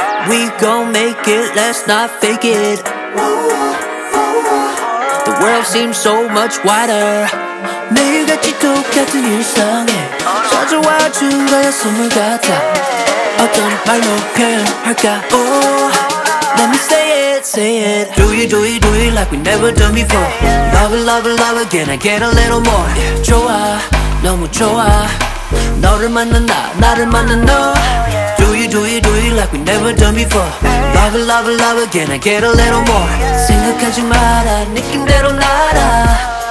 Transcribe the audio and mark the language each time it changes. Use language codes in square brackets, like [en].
[en] We gon' make it, let's not fake it. The world seems so much wider. [ko] 매일같이 똑같은 일상에 찾아와 준 거야 선물 같아. 어떤 말로 표현할까. [en] Oh, let me say it, say it. Do it, do it, do it like we never done before. Love it, love it, love again, I get a little more. [ko] 좋아, 너무 좋아. 너를 만난 나, 나를 만난 너. [en] Do it, do it, do it like we never done before. Love it, love it, love again, I get a little more. [ko] 생각하지 마라, 느낌대로 날아.